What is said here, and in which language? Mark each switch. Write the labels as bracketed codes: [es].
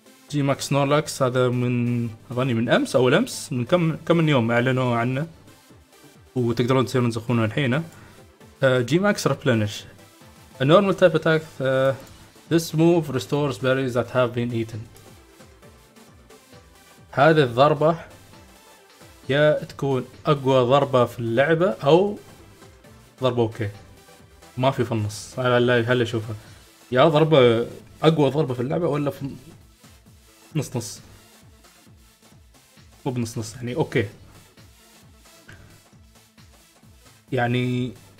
[ar] جي ماكس سنورلاكس هذا من اظني من امس او الامس، من كم من يوم اعلنوا عنه وتقدرون تصيرون زخونه الحين. [en] G max replenish النورمال type attack. This move restores berries that have been eaten. [ar] هذه الضربة يا تكون أقوى ضربة في اللعبة أو ضربة أوكي ما في في النص، هلا شوفها يا ضربة أقوى ضربة في اللعبة ولا في نص نص، مو بنص نص يعني أوكي يعني.